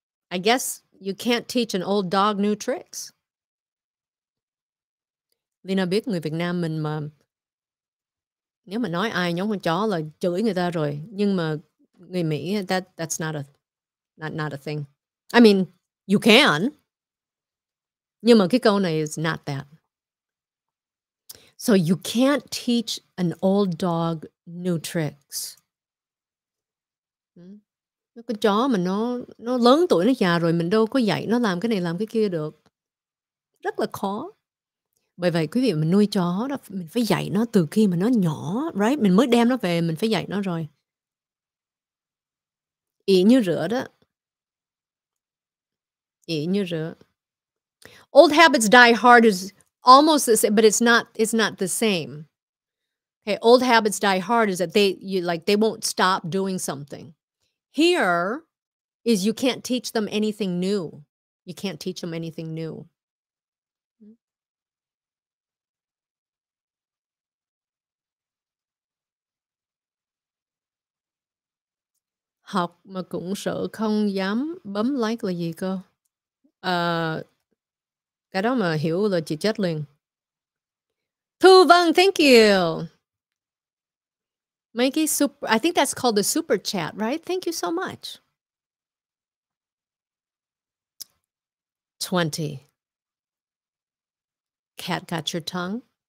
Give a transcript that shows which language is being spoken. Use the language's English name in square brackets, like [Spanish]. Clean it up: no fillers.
[English] I guess you can't teach an old dog new tricks. [Vietnamese] Lina biết người Việt Nam mình mà nếu mà nói ai giống con chó là chửi người ta rồi, nhưng mà người Mỹ [English] that's not a thing. I mean, you can. [Vietnamese] Nhưng mà cái câu này [English] is not that. So you can't teach an old dog new tricks. [Vietnamese] Con chó mà nó lớn tuổi, nó già rồi, mình đâu có dạy nó làm cái này làm cái kia được. Rất là khó. Bởi vậy quý vị, mình nuôi chó đó, mình phải dạy nó từ khi mà nó nhỏ, right? Mình mới đem nó về, mình phải dạy nó rồi. Ý như rửa đó. Ý như rửa. [English] Old habits die hard is almost the same, but it's not the same. Okay, old habits die hard is that they won't stop doing something. Here is you can't teach them anything new. You can't teach them anything new. [Vietnamese] Học mà cũng sợ không dám bấm like là gì cơ? Cái đó mà hiểu là chị chết liền. [English] Thu Vân, thank you. Make a super, I think that's called a super chat, right? Thank you so much. 20. Cat got your tongue?